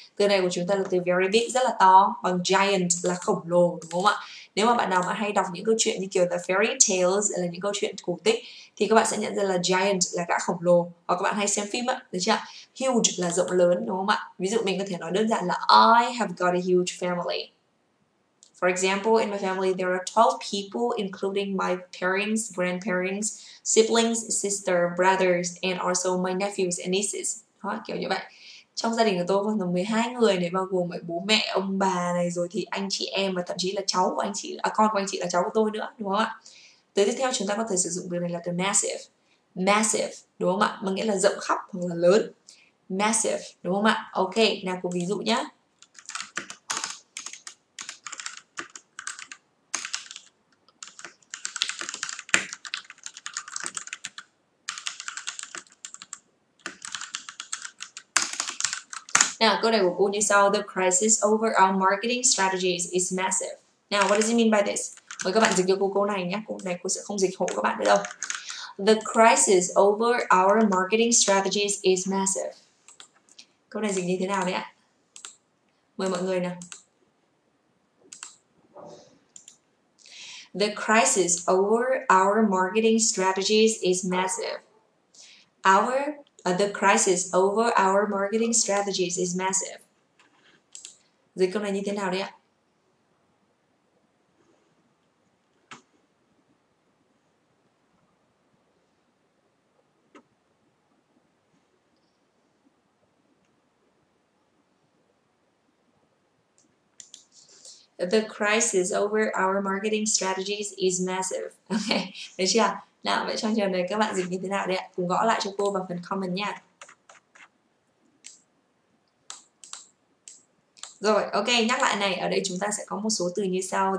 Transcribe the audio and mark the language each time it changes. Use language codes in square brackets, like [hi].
[vi] Từ này của chúng ta là từ very big, rất là to, bằng giant là khổng lồ, đúng không ạ? Nếu mà bạn nào mà hay đọc những câu chuyện như kiểu [en] the fairy tales, [vi] là những câu chuyện cổ tích, thì các bạn sẽ nhận ra là giant là gã khổng lồ. Hoặc các bạn hay xem phim ạ, được chưa? Huge là rộng lớn, đúng không ạ? Ví dụ mình có thể nói đơn giản là [en] I have got a huge family. For example, in my family, there are 12 people, including my parents, grandparents, siblings, sister, brothers, and also my nephews and nieces. [vi] Đó, kiểu như vậy. Trong gia đình của tôi có 12 người này, bao gồm bố mẹ, ông bà này, rồi thì anh chị em và thậm chí là cháu của anh chị, con của anh chị là cháu của tôi nữa, đúng không ạ? Từ tiếp theo chúng ta có thể sử dụng từ này là từ massive. Massive, đúng không ạ? Mà nghĩa là rộng khắp hoặc là lớn. Massive, đúng không ạ? Ok, nào cùng ví dụ nhé. Now, câu này của cô như sau. [en] The crisis over our marketing strategies is massive. Now, what does it mean by this? [vi] Mời các bạn dịch cho cô câu này nhé. Câu này cô sẽ không dịch hộ các bạn nữa đâu. [en] The crisis over our marketing strategies is massive. [vi] Câu này dịch như thế nào đấy ạ? Mời mọi người nào. [en] The crisis over our marketing strategies is massive. The crisis over our marketing strategies is massive. [vi] Dịch câu này như thế nào đấy ạ? [en] The crisis over our marketing strategies is massive. [vi] Ok, được chưa? Nào, vậy trong trường này các bạn dịch như thế nào đấy ạ? Cùng gõ lại cho cô vào phần comment nha. Rồi, ok, nhắc lại này. Ở đây chúng ta sẽ có một số từ như sau.